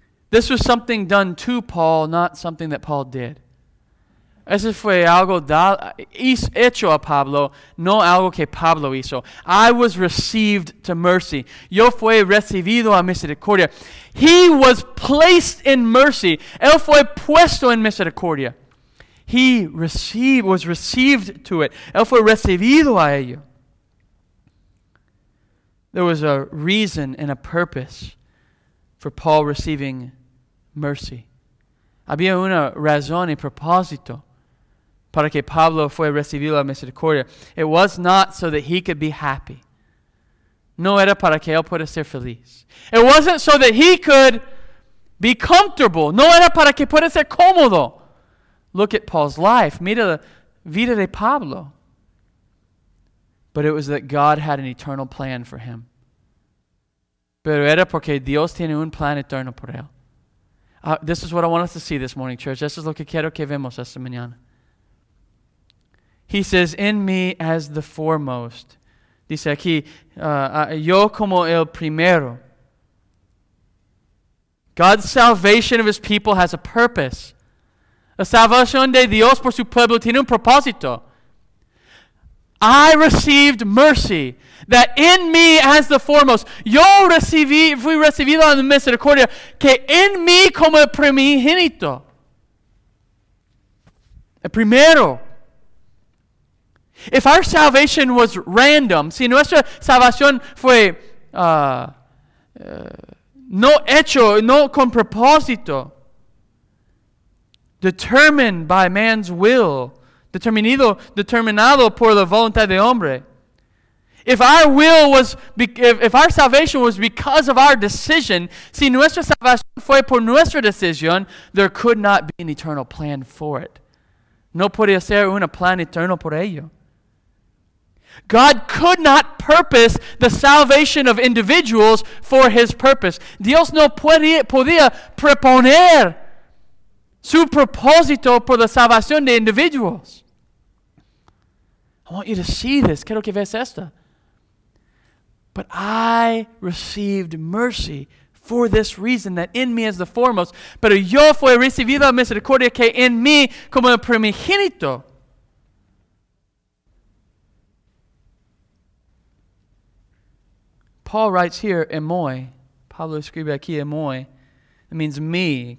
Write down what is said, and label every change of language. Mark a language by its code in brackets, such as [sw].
[en] This was something done to Paul, not something that Paul did. [es] Eso fue algo hecho a Pablo, no algo que Pablo hizo. [en] I was received to mercy. [es] Yo fui recibido a misericordia. [en] He was placed in mercy. [es] Él fue puesto en misericordia. [en] He was received to it. [es] Él fue recibido a ello. [en] There was a reason and a purpose for Paul receiving mercy. [es] Había una razón y propósito para que Pablo fue recibido la misericordia. [en] It was not so that he could be happy. [es] No era para que él pueda ser feliz. [en] It wasn't so that he could be comfortable. [es] No era para que pueda ser cómodo. [en] Look at Paul's life. [es] Mira la vida de Pablo. [en] But it was that God had an eternal plan for him. [es] Pero era porque Dios tiene un plan eterno por él. [en] This is what I want us to see this morning, church. This is [es] lo que quiero que vemos esta mañana. [en] He says, in me as the foremost. [es] Dice aquí, yo como el primero. [en] God's salvation of his people has a purpose. [es] La salvación de Dios por su pueblo tiene un propósito. [en] I received mercy that in me as the foremost. [es] Yo recibí, fui recibido en misericordia, que en mí como el primogénito. El primero. [en] If our salvation was random, [es] si nuestra salvación fue no hecho, no con propósito, [en] determined by man's will, [es] determinado por la voluntad de hombre. [en] If our salvation was because of our decision, [es] si nuestra salvación fue por nuestra decisión, [en] there could not be an eternal plan for it. [es] No podía ser un plan eterno por ello. [en] God could not purpose the salvation of individuals for his purpose. [es] Dios no podía preponer su propósito por la salvación de individuos. [en] I want you to see this. [es] Quiero que veas esto. [en] But I received mercy for this reason, that in me as the foremost. [es] Pero yo fui recibido misericordia que en mí como el primogénito. [en] Paul writes here, emoi. [es] Pablo escribe aquí, [en] emoi. It means me.